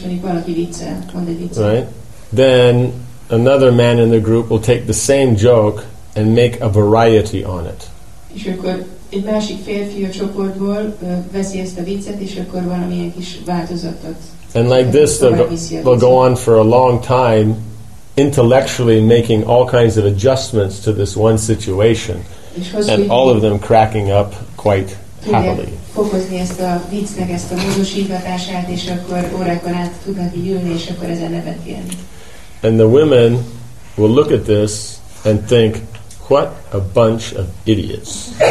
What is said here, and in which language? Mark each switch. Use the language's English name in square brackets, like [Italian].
[English] Right? Then another man in the group will take the same joke and make a variety on it. [Hungarian] Egy másik férfi a csoportból veszi ezt a viccet, és akkor valamilyen kis változatot. [English] And like this, they'll go on for a long time, intellectually making all kinds of adjustments to this one situation, and all of them cracking up quite happily. [Hungarian] Fokozni ezt a viccnek, ezt a módosítatását, és akkor órákon át tudnak ülni, és akkor ezen nevetni. [English] And the women will look at this and think, what a bunch of idiots.